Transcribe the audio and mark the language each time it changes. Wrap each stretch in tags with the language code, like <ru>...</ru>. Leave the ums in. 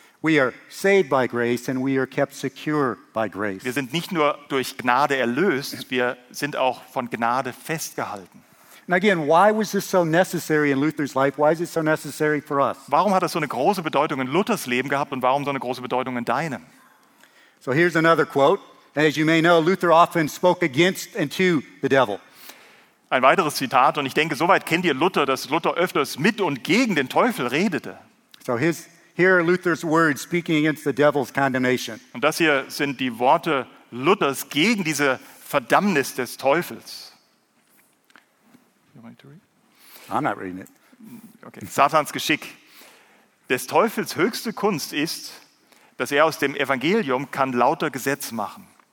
<de>Wir sind nicht nur durch Gnade erlöst, wir sind auch von Gnade festgehalten.</de> <en>And again, why was this so necessary in Luther's life? Why is it so necessary for us?</en> <de>Warum hat das so eine große Bedeutung in Luthers Leben gehabt und warum so eine große Bedeutung in deinem?</de> <en>So here's another quote. And as you may know, Luther often spoke against and to the devil.</en> <de>Ein weiteres Zitat und ich denke, soweit kennt ihr Luther, dass Luther öfters mit und gegen den Teufel redete.</de> <en>So his Here Luther's words speaking against the devil's condemnation.</en> <de>Und das hier sind die Worte Luthers gegen diese Verdammnis des Teufels.</de> <en>I'm not reading it.</en> <de>Satans Geschick. Des Teufels höchste Kunst ist, dass er aus dem Evangelium kann lauter Gesetz machen.</de>